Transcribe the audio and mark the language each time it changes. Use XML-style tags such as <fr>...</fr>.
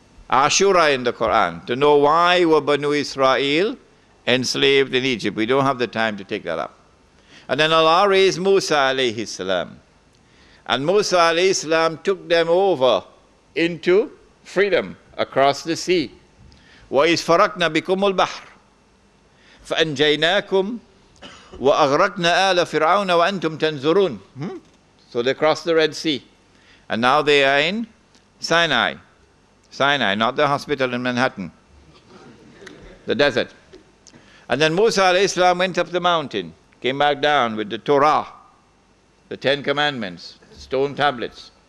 <en>Ashura in the Quran, to know why were Banu Israel enslaved in Egypt. We don't have the time to take that up. And then Allah raised Musa alayhi salam. And Musa alayhi salam took them over into freedom across the sea.</en> <ar>وَإِذْ فَرَقْنَا بِكُمُ الْبَحْرِ فَأَنْجَيْنَاكُمْ وَأَغْرَقْنَا آلَ فِرْعَوْنَ وَأَنْتُمْ تَنْزُرُونَ</ar> <en>So they crossed the Red Sea. And now they are in Sinai. Sinai, not the hospital in Manhattan. The desert. And then Musa alayhi salam went up the mountain, came back down with the Torah, the Ten Commandments, stone tablets.</en>